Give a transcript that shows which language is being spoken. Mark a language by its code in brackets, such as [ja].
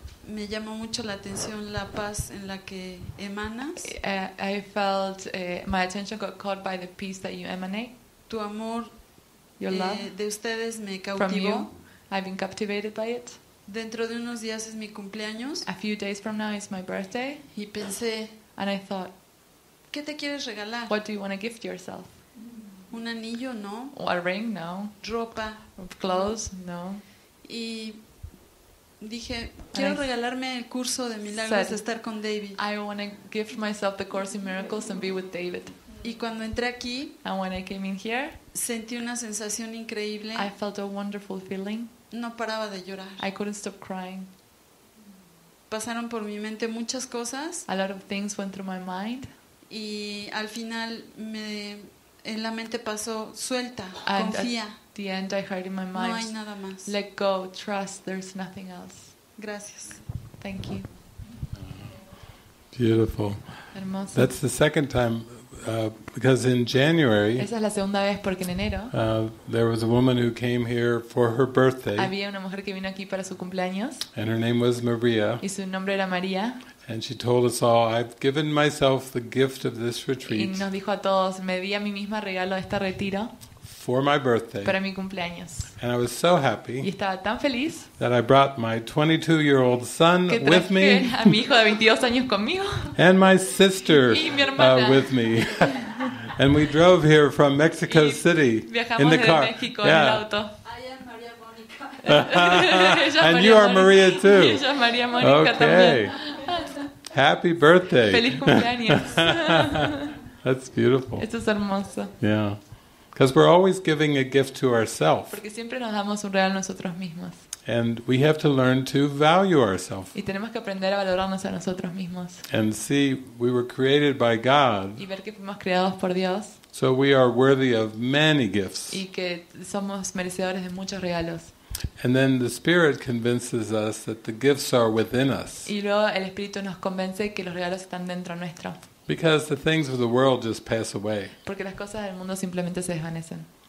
[es] Me llamó mucho la atención la paz en la que emanas. [en] I felt my attention got caught by the peace that you emanate. [es] Tu amor, [en] your love, [es] de ustedes me cautivó. [en] From you, I've been captivated by it. [es] Dentro de unos días es mi cumpleaños. [en] A few days from now is my birthday. [es] Y pensé, [en] and I thought, [es] ¿qué te quieres regalar? [en] What do you want to gift yourself? [es] Un anillo, no. [en] Or a ring, no. [es] Ropa, [en] clothes, no. [es] Y dije, quiero regalarme el curso de milagros, [en] said, [es] estar con David. [en] I want to gift myself the Course in Miracles and be with David. [es] Y cuando entré aquí, [en] and when I came in here, [es] sentí una sensación increíble. [en] I felt a wonderful feeling. [es] No paraba de llorar. [en] I couldn't stop crying. [es] Pasaron por mi mente muchas cosas. [en] A lot of things went through my mind. [es] Y al final en la mente pasó, suelta, confía. [en] The end I heard in my mind. [es] No hay nada más. [en] Let go, trust, there's nothing else. [es] Gracias. [en] Thank you. Beautiful. [es] Hermoso. [en] That's the second time, because in January, [es] esa es la segunda vez porque en enero, [en] there was a woman who came here for her birthday. [es] Había una mujer que vino aquí para su cumpleaños. [en] And her name was Maria. [es] Y su nombre era María. [en] And she told us all, I've given myself the gift of this retreat. [es] Y nos dijo a todos, me di a mí misma regalo de este retiro. [en] For my birthday. [es] Para mi cumpleaños. [en] And I was so happy. [es] Y estaba tan feliz. [en] That I brought my 22-year-old son with me. [es] Que traje a mi hijo de 22 años conmigo. [en] And my sister. [es] Y mi hermana. [en] With me. And we drove here from Mexico City in the car. [es] Viajamos de México, yeah. En el auto. [en] I am María Mónica. And you are Maria too. [es] Y ella es María Mónica, [en] okay. [es] También. [en] Happy birthday. [es] Feliz cumpleaños. [en] That's beautiful. [es] Esto es hermoso. [en] Yeah. Because we're always giving a gift to ourselves. [es] Porque siempre nos damos un regalo a nosotros mismos. [en] And we have to learn to value ourselves. [es] Y tenemos que aprender a valorarnos a nosotros mismos. [en] And see, we were created by God. [es] Y ver que fuimos creados por Dios. [en] So we are worthy of many gifts. [es] Y que somos merecedores de muchos regalos. [en] And then the Spirit convinces us that the gifts are within us. [es] Y luego el Espíritu nos convence que los regalos están dentro nuestro. [en] Because the things of the world just pass away. [es] Porque las cosas del mundo simplemente se desvanecen.